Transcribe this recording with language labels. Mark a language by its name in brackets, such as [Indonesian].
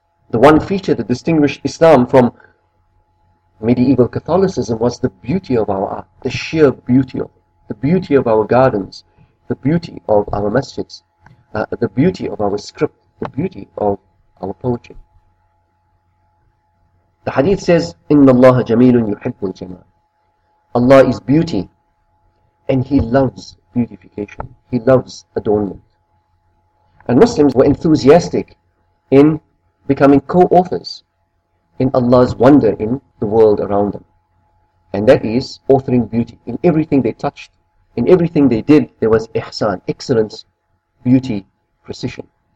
[English] The one feature that distinguished Islam from medieval Catholicism was the beauty of our art, the sheer beauty of it, the beauty of our gardens, the beauty of our masjids, the beauty of our script, the beauty of our poetry. The hadith says, [Arabic] إِنَّ اللَّهَ جَمِيلٌ يُحِبُّ الْجَمَالِ. [English] Allah is beauty, and He loves beautification. He loves adornment. And Muslims were enthusiastic in becoming co-authors in Allah's wonder in the world around them. And that is authoring beauty. In everything they touched, in everything they did, there was ihsan, excellence, beauty, precision.